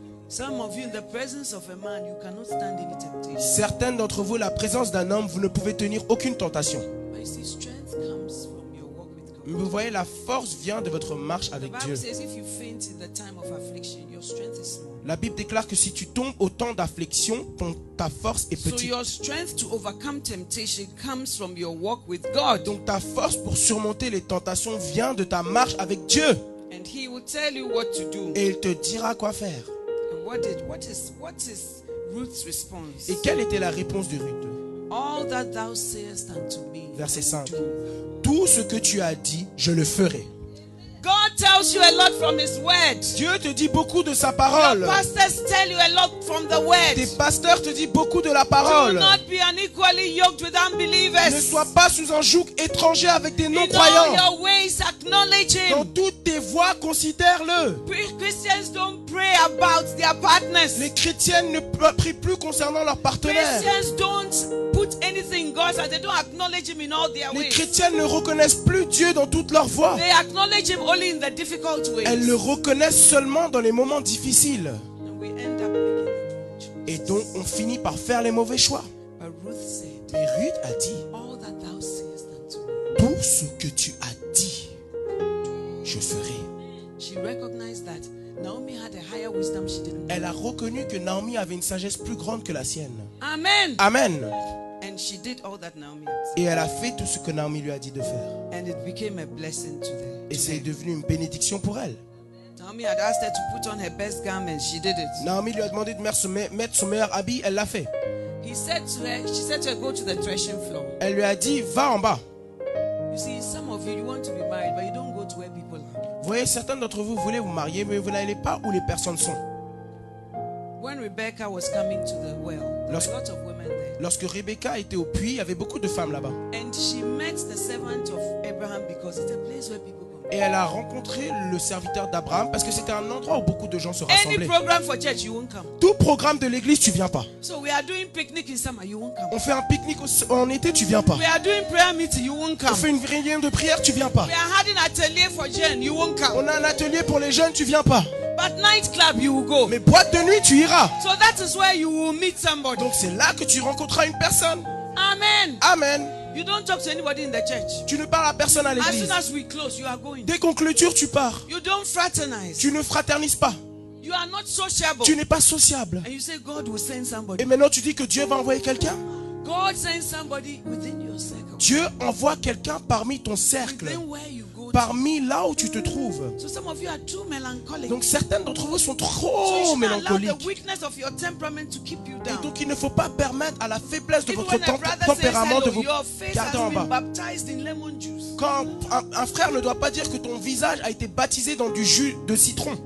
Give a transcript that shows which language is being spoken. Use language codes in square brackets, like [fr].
[en] Some of you in the presence of a man, you cannot stand any temptation. [fr] Certains d'entre vous, la présence d'un homme, vous ne pouvez tenir aucune tentation. [en] But you see, strength comes from your walk with God. [fr] Mais vous voyez, la force vient de votre marche avec Dieu. [en] The Bible says if you faint in the time of affliction, your strength is small. [fr] La Bible déclare que si tu tombes au temps d'affliction, ta force est petite. [en] So your strength to overcome temptation comes from your walk with God. [fr] Donc ta force pour surmonter les tentations vient de ta marche avec Dieu. [en] And he will tell you what to do. [fr] Et il te dira quoi faire. [en] And what is Ruth's response? [fr] Et quelle était la réponse de Ruth? [en] All that thou sayest unto me. [fr] Verset 5. Tout ce que tu as dit, je le ferai. [en] God tells you a lot from his word. [fr] Dieu te dit beaucoup de sa parole. [en] Your pastors tell you a lot from the word. [fr] Tes pasteurs te disent beaucoup de la parole. [en] Do not be unequally yoked with unbelievers. [fr] Ne sois pas sous un joug étranger avec des non-croyants. [en] In all your ways, acknowledge him. [fr] Dans toutes tes voies, considère-le. [en] Christians don't pray about their partners. [fr] Les chrétiennes ne prient plus concernant leurs partenaires. [en] Christians don't put anything in God's hands. They don't acknowledge him in all their ways. [fr] Les chrétiennes ne reconnaissent plus Dieu dans toutes leurs voies. [en] They acknowledge him only in the difficult ways. [fr] Elles le reconnaissent seulement dans les moments difficiles. [en] And we end up making the wrong choices. [fr] Et donc on finit par faire les mauvais choix. [en] But Ruth said, [fr] mais Ruth a dit, [en] all that thou sayest unto me, [fr] tout ce que tu as dit, je ferai. [en] She recognized that Naomi had a higher wisdom she didn't. [fr] Elle a reconnu que Naomi avait une sagesse plus grande que la sienne. [en] Amen. [fr] Amen. [en] And she did all that Naomi had said. [fr] Et elle a fait tout ce que Naomi lui a dit de faire. [en] And it became a blessing to them. [fr] Et c'est devenu une bénédiction pour elle. [en] Naomi had asked her to put on her best garment. She did it. [fr] Naomi lui a demandé de mettre son meilleur habit. Elle l'a fait. [en] He said to her, she said to her, go to the threshing floor. [fr] Elle lui a dit, va en bas. [en] You see, some of you want to be married, but you don't go to where people are. [fr] Vous voyez, certains d'entre vous voulez vous marier, mais vous n'allez pas où les personnes sont. [en] When Rebecca was coming to the well, a lot of women there. [fr] Lorsque Rebecca était au puits, il y avait beaucoup de femmes là-bas. [en] And she met the servant of Abraham because it's a place where people. [fr] Et elle a rencontré le serviteur d'Abraham parce que c'était un endroit où beaucoup de gens se rassemblaient. [en] Program for church, you won't come. [fr] Tout programme de l'église, tu viens pas. [en] So we are doing picnic in summer, you won't come. [fr] On fait un pique-nique en été, tu viens pas. [en] We are doing prayer meeting, you won't come. [fr] On fait une réunion de prière, tu viens pas. [en] We are having atelier for jeunes, you won't come. [fr] On a un atelier pour les jeunes, tu viens pas. [en] But night club, you will go. [fr] Mais boîte de nuit, tu iras. [en] So that is where you will meet somebody. [fr] Donc c'est là que tu rencontreras une personne. [en] Amen. [fr] Amen. [en] You don't talk to anybody in the church. [fr] Tu ne parles à personne à l'église. [en] As soon as we close, you are going. [fr] Dès qu'on clôture, tu pars. [en] You don't fraternize. [fr] Tu ne fraternises pas. [en] You are not sociable. [fr] Tu n'es pas sociable. [en] And you say God will send somebody. [fr] Et maintenant tu dis que Dieu va envoyer quelqu'un. [en] God sends somebody within your circle. [fr] Dieu envoie quelqu'un parmi ton cercle. [en] Within where you go. [fr] Parmi là où tu te trouves. [en] So some of you are too melancholic. [fr] Donc certains d'entre vous sont trop mélancoliques. [en] The weakness of your temperament to keep you down. [fr] Et donc il ne faut pas permettre à la faiblesse de [en] even [fr] votre tempérament [en] hello, [fr] de vous garder en bas. Quand un frère ne doit pas dire que ton visage a été baptisé dans du jus de citron.